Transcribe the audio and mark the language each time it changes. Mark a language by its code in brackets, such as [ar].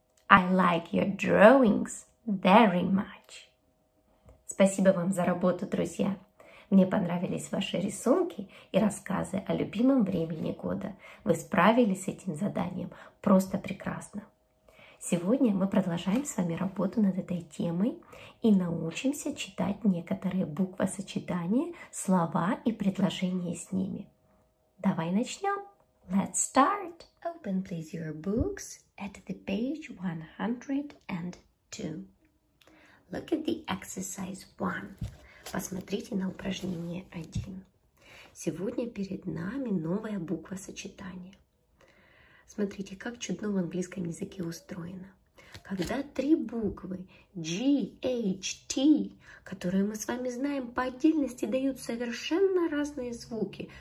[en] I like your drawings very much. [ru] Спасибо вам за работу, друзья. Мне понравились ваши рисунки и рассказы о любимом времени года. Вы справились с этим заданием просто прекрасно. Сегодня мы продолжаем с вами работу над этой темой и научимся читать некоторые буквосочетания, слова и предложения с ними. Давай начнем. [en] Let's start. Open, please, your books at the page 102. Look at the exercise 1. [ru] Посмотрите на упражнение 1. Сегодня перед нами новое буквосочетание. Смотрите, как чудно в английском языке устроено. Когда три буквы G, H, T, которые мы с вами знаем по отдельности, дают совершенно разные звуки.